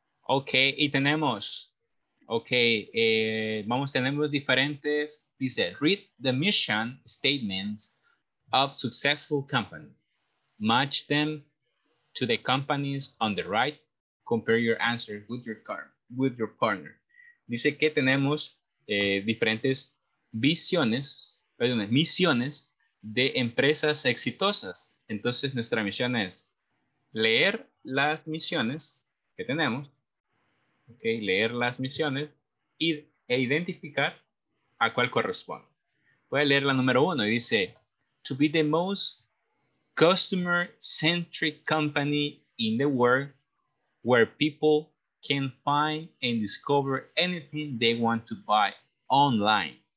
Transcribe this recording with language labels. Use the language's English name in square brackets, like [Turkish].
[Spanish] Ok, y tenemos, ok, tenemos diferentes. [English] Dice, read the mission statements of successful company. Match them to the companies on the right. Compare your answer with your partner. [Spanish] Dice que tenemos diferentes visiones, perdón, misiones de empresas exitosas. Entonces, nuestra misión es leer las misiones que tenemos. Okay, leer las misiones e identificar a cuál corresponde. Voy a leer la número uno y dice, [English] to be the most customer-centric company in the world where people can find and discover anything they want to buy online.